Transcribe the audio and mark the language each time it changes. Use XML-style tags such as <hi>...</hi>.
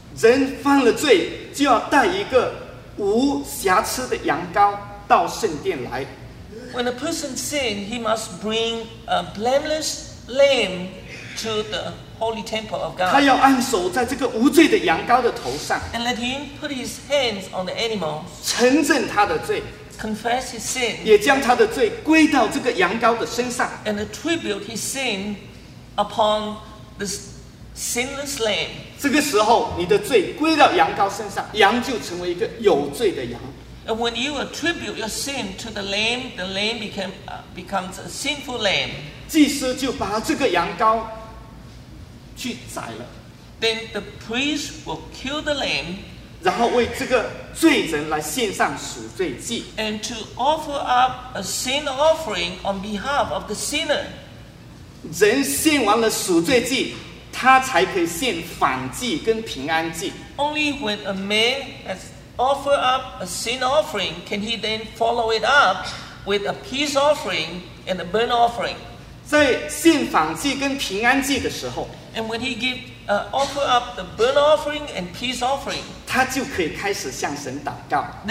<zh>人犯了罪，就要带一个无瑕疵的羊羔到圣殿来。</zh> <en>When a person sins, he must bring a blameless lamb to the Holy Temple of God.</en> <zh>他要按手在这个无罪的羊羔的头上。</zh> <en>And let him put his hands on the animal.</en> <zh>承认他的罪。</zh> <en>Confess his sin.</en> <zh>也将他的罪归到这个羊羔的身上。</zh> <en>And attribute his sin upon this sinless lamb.</en> <zh>这个时候，你的罪归到羊羔身上，羊就成为一个有罪的羊。</zh> <en>And when you attribute your sin to the lamb becomes a sinful lamb.</en> <zh>祭司就把这个羊羔。去宰了</zh> <en>，Then the priest will kill the lamb，</en> <zh>然后为这个罪人来献上赎罪祭</zh> <en>，and to offer up a sin offering on behalf of the sinner。</en> <zh>人献完了赎罪祭，他才可以献反祭跟平安祭。</zh> <en>Only when a man has offered up a sin offering can he then follow it up with a peace offering and a burnt offering。</en> <zh>在献反祭跟平安祭的时候。</zh> <en>And when he give offer up the burnt offering and peace offering,</en> <zh>他就可以开始向神祷告。</zh>